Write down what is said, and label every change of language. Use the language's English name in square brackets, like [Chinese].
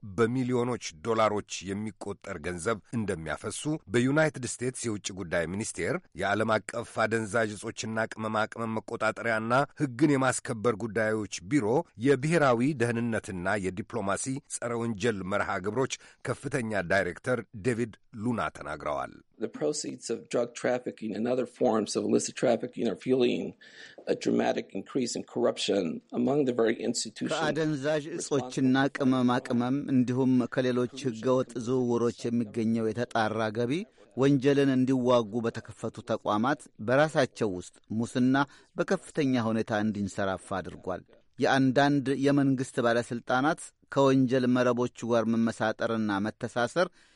[Amharic] በሚሊዮኖች ዶላሮች የሚቆጠር ገንዘብ እንደሚያፈሱ በዩናይትድ ስቴትስ የውጭ ጉዳይ ሚኒስቴር የዓለም አቀፍ አደንዛዥ እጾችና ቅመማ ቅመም መቆጣጠሪያና ሕግን የማስከበር ጉዳዮች ቢሮ የብሔራዊ ደህንነትና የዲፕሎማሲ ጸረ ወንጀል መርሃ ግብሮች ከፍተኛ ዳይሬክተር ዴቪድ ሉና ተናግረዋል። [English] The proceeds of drug trafficking and other forms of illicit trafficking are fueling a dramatic increase in corruption among the very institutions. [Amharic] ከአደንዛዥ እጾችና ቅመማ ቅመም እንዲሁም ከሌሎች ህገወጥ ዝውውሮች የሚገኘው የተጣራ ገቢ ወንጀልን እንዲዋጉ በተከፈቱ ተቋማት በራሳቸው ውስጥ ሙስና በከፍተኛ ሁኔታ እንዲንሰራፋ አድርጓል። የአንዳንድ የመንግስት ባለስልጣናት ከወንጀል መረቦች ጋር መመሳጠርና መተሳሰር